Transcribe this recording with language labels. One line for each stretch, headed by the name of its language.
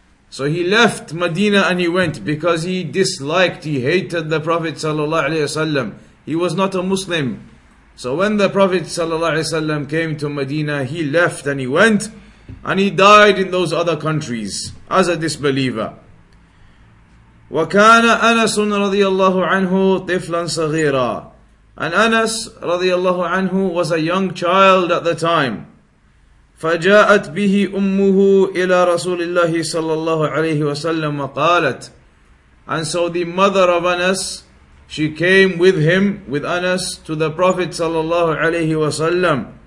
English: So he left Medina and he went because he disliked, he hated the Prophet sallallahu alaihi wasallam. He was not a Muslim. So when the Prophet sallallahu alaihi wasallam came to Medina, he left and he went and he died in those other countries as a disbeliever.
Arabic: وَكَانَ أَنَسٌ رَضِيَ اللَّهُ عَنْهُ طِفْلًا صَغِيرًا.
English: And Anas radiyallahu anhu was a young child at the time.
Arabic: فَجَاءَتْ بِهِ أُمُّهُ إِلَى رَسُولِ اللَّهِ صَلَّى اللَّهُ عَلَيْهِ وَسَلَّمْ وَقَالَتْ.
English: And so the mother of Anas, she came with him, with Anas, to the Prophet sallallahu alayhi wasallam.